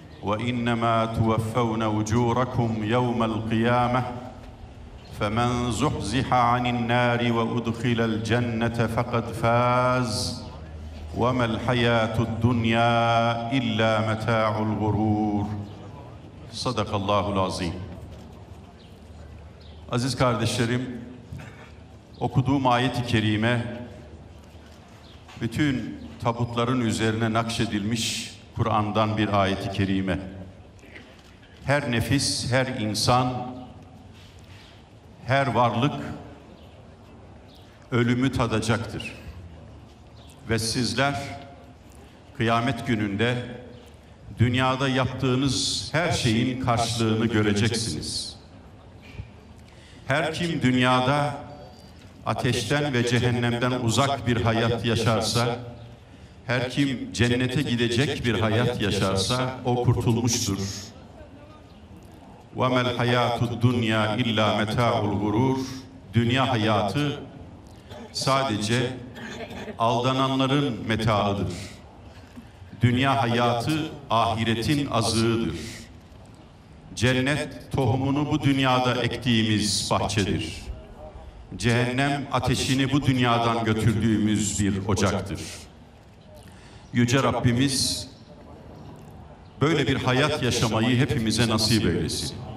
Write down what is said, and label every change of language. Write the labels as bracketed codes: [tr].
[ar] وإنما توفون أجوركم يوم القيامة فمن زحزح عن النار وأدخل الجنة فقد فاز وما الحياة الدنيا إلا متاع الغرور صدق الله العظيم. [tr] Aziz kardeşlerim, okuduğum ayet-i kerime bütün tabutların üzerine nakşedilmiş Kur'an'dan bir ayet-i kerime. Her nefis, her insan, her varlık ölümü tadacaktır. Ve sizler kıyamet gününde dünyada yaptığınız her şeyin karşılığını göreceksiniz. Her kim dünyada ateşten ve cehennemden uzak bir hayat yaşarsa, her kim cennete gidecek bir hayat yaşarsa o kurtulmuştur. [ar] وَمَا الْحَيَاتُ الدُّنْيَا اِلَّا مَتَاعُ الْغُرُورِ [tr] Dünya hayatı sadece aldananların metaıdır. Dünya hayatı ahiretin azığıdır. Cennet tohumunu bu dünyada ektiğimiz bahçedir. Cehennem ateşini bu dünyadan götürdüğümüz bir ocaktır. Yüce Rabbimiz böyle bir hayat yaşamayı hepimize nasip eylesin.